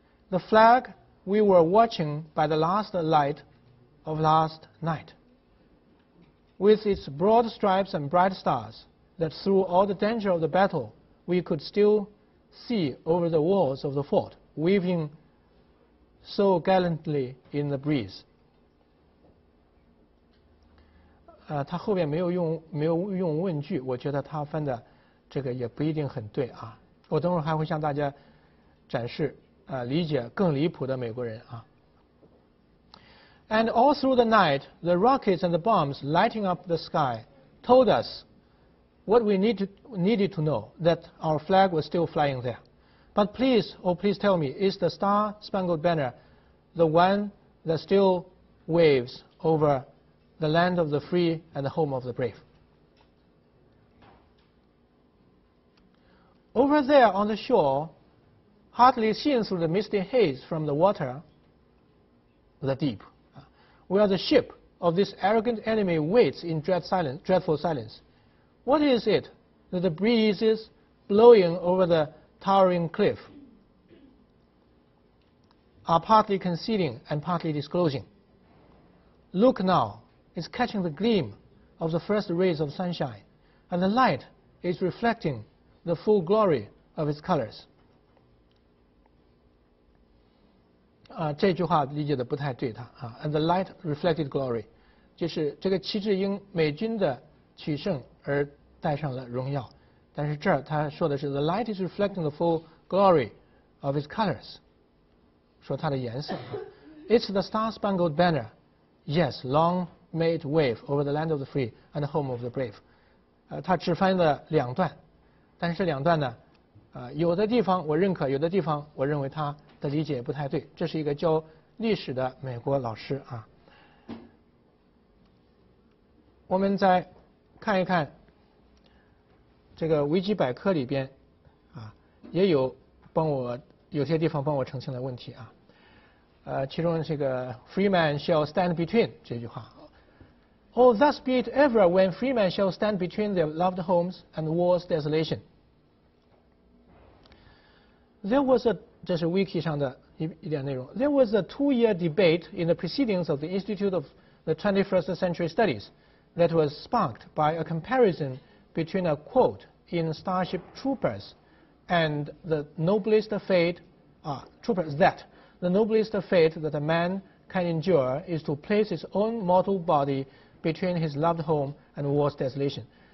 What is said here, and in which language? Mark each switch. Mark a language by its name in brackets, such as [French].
[English] The flag we were watching by the last light of last night, with its broad stripes and bright stars, that through all the danger of the battle, we could still see over the walls of the fort, waving so gallantly in the breeze. [Chinese] 他后面没有用问句，我觉得他翻的这个也不一定很对啊。我等会儿还会向大家展示理解更离谱的美国人啊。 [English] And all through the night, the rockets and the bombs lighting up the sky told us what we needed to know, that our flag was still flying there. But please, oh please tell me, is the Star-Spangled Banner the one that still waves over? The land of the free and the home of the brave. Over there on the shore, hardly seen through the misty haze from the water, the deep, where the ship of this arrogant enemy waits in dreadful silence. What is it that the breeze is blowing over the towering cliff are partly concealing and partly disclosing? Look now. It's catching the gleam of the first rays of sunshine, and the light is reflecting the full glory of its colors. [Chinese] 这句话理解的不太对的啊。 [English] And the light reflected glory, [Chinese] 就是这个旗帜因美军的取胜而带上了荣耀，但是这儿他说的是 [English] the light is reflecting the full glory of its colors, [Chinese] 说它的颜色。 [English] It's the star-spangled banner, yes, long. May it wave over the land of the free and the home of the brave. [Chinese] 他只翻了两段，但是两段呢，有的地方我认可，有的地方我认为他的理解不太对。这是一个教历史的美国老师啊。我们再看一看这个维基百科里边啊，也有帮我有些地方帮我澄清的问题啊。其中这个 [English] "Free man shall stand between" [Chinese] 这句话。 [English] Oh, thus be it ever when free men shall stand between their loved homes and war's desolation. There was a, [Chinese] 这是 wiki 上的一点内容。 [English] There was a two-year debate in the proceedings of the Institute of the 21st Century Studies that was sparked by a comparison between a quote in Starship Troopers and the noblest fate, Troopers, that the noblest fate that a man can endure is to place his own mortal body between his loved home and war's desolation.